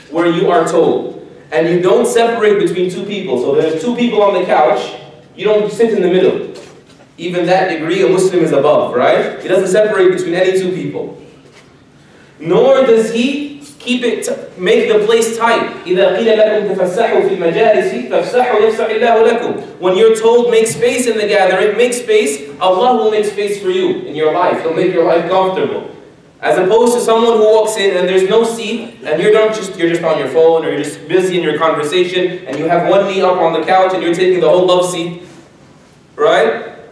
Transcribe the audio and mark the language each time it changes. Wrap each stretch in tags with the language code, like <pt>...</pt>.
<en>where you are told. And you don't separate between two people. So there's two people on the couch. You don't sit in the middle. Even that degree, a Muslim is above, right? He doesn't separate between any two people. Nor does he keep it, make the place tight.</en> <ar>إذا قيل لكم تفسحوا في المجالس فافسحوا يفسح الله لكم.</ar> <en>When you're told make space in the gathering, make space, Allah will make space for you in your life. He'll make your life comfortable. As opposed to someone who walks in and there's no seat and you're just on your phone or you're just busy in your conversation and you have one knee up on the couch and you're taking the whole love seat, right?</en>